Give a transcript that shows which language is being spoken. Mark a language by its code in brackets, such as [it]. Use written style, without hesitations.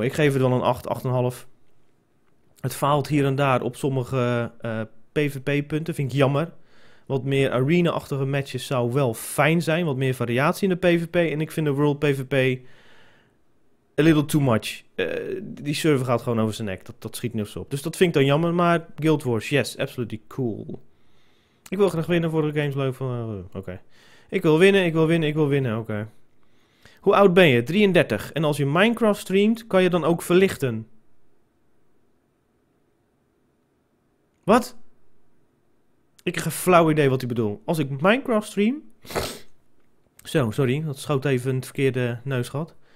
[nl] Ik geef het wel een 8, 8,5. Het faalt hier en daar op sommige PvP-punten. Vind ik jammer. Wat meer arena-achtige matches zou wel fijn zijn. Wat meer variatie in de PvP. En ik vind de World PvP [en] a little too much. [nl] Die server gaat gewoon over zijn nek. Dat schiet niks op. Dus dat vind ik dan jammer. Maar Guild Wars, [en] yes, absolutely cool. [nl] Ik wil graag winnen voor de games. Leuk van... Oké. Ik wil winnen, oké. Okay. Hoe oud ben je? 33. En als je Minecraft streamt, kan je dan ook verlichten? Wat? Ik heb een flauw idee wat hij bedoelt. Als ik Minecraft stream... Zo, sorry, dat schoot even het verkeerde neusgat.